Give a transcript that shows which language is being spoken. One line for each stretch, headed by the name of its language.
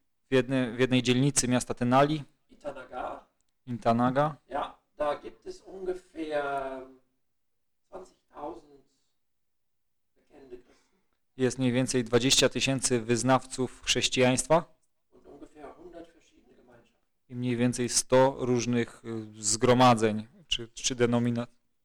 Polish: W jednej dzielnicy miasta Tenali. Itanaga.
German: Ja, da gibt es ungefähr 20.000 bekennende Christen.
Polish: Jest mniej więcej 20 tysięcy wyznawców chrześcijaństwa.
German: Und ungefähr 100 verschiedene Gemeinschaften.
Polish: I mniej więcej 100 różnych zgromadzeń, czy denominacji.